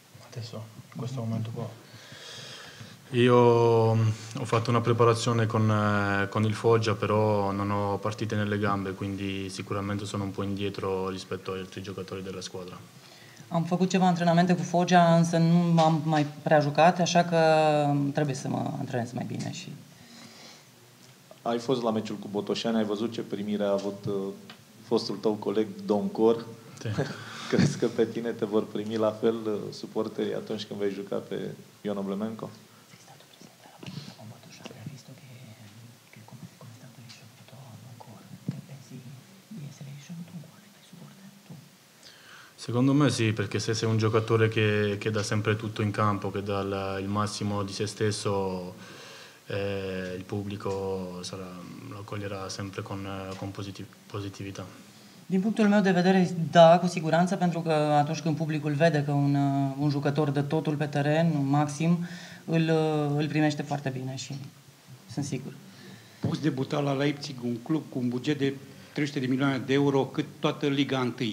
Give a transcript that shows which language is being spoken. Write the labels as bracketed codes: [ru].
[it] Adesso, in questo momento qua. Io ho fatto una preparazione con il Foggia, però non ho partite nelle gambe, quindi sicuramente sono un po' indietro rispetto agli altri giocatori della squadra. [ro] Am făcut ceva antrenamente cu Foggia, însă nu am mai prea jucat, așa că trebuie să mă antrenez mai bine. Și... Ai fost la meciul cu Botoșani, ai văzut ce primire a avut fostul tău coleg, Doncor. Crezi că pe tine te vor primi la fel suporterii atunci când vei juca pe Ion Oblemenco? [it] Secondo me sì, perché se sei un giocatore che dà sempre tutto in campo, che dà il massimo di se stesso, il pubblico lo accoglierà sempre con positività. [ro] Din punctul meu de vedere, da, cu siguranță, pentru că atunci când publicul vede că un jucător dă totul pe teren, maxim, îl primește foarte bine și sunt sigur. Poți debuta la Leipzig, un club cu un buget de 300 de milioane de euro, cât toată Liga 1.